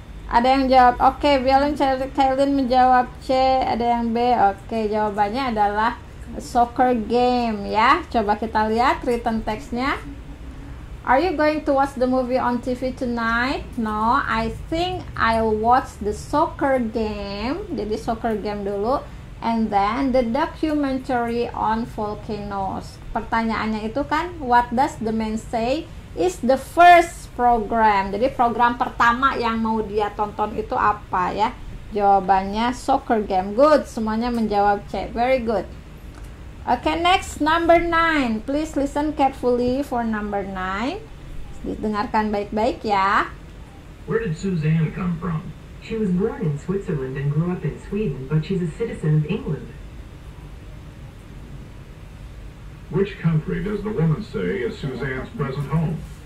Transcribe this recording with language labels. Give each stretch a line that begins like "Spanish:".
Indonesian: Ada yang jawab, oke, okay, Violin Kailin menjawab C, ada yang B, oke, okay, jawabannya adalah soccer game, ya. Coba kita lihat written text-nya.
English: Are you going to watch the movie on TV tonight? No, I think I'll watch the soccer game,
Indonesian: jadi soccer game dulu,
English: and then the documentary on volcanoes.
Indonesian: Pertanyaannya itu kan,
English: what does the man say is the first program.
Indonesian: Jadi program pertama yang mau dia tonton itu apa ya?
English: Jawabannya soccer game. Good,
Indonesian: semuanya menjawab
English: C. Very good. Okay, next number 9. Please listen carefully for number 9.
Indonesian: Didengarkan baik-baik ya.
English: Where did Suzanne come from? She was born in Switzerland and grew up in Sweden, but she's a citizen of England. Which country does the woman say is Suzanne's present home?